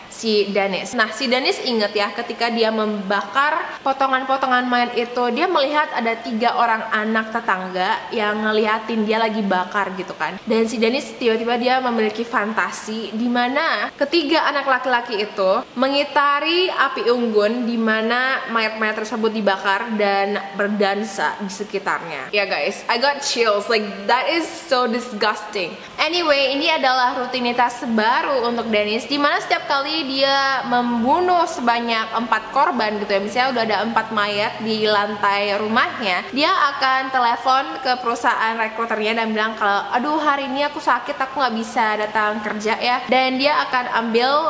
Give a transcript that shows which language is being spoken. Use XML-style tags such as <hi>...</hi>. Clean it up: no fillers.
<id>si Dennis. Nah, si Dennis ingat ya, ketika dia membakar potongan-potongan mayat itu, dia melihat ada 3 orang anak tetangga yang ngeliatin dia lagi bakar gitu kan. Dan si Dennis tiba-tiba dia memiliki fantasi di mana ketiga anak laki-laki itu mengitari api unggun di mana mayat-mayat tersebut dibakar dan berdansa di sekitarnya.</id> <en>Ya guys, I got chills, like that is so disgusting.</en> <id>Anyway, ini adalah rutinitas baru untuk Dennis di mana setiap kali dia membunuh sebanyak 4 korban gitu ya, misalnya udah ada 4 mayat di lantai rumahnya, dia akan telepon ke perusahaan rekruternya dan bilang kalau aduh hari ini aku sakit, aku gak bisa datang kerja ya, dan dia akan ambil</id>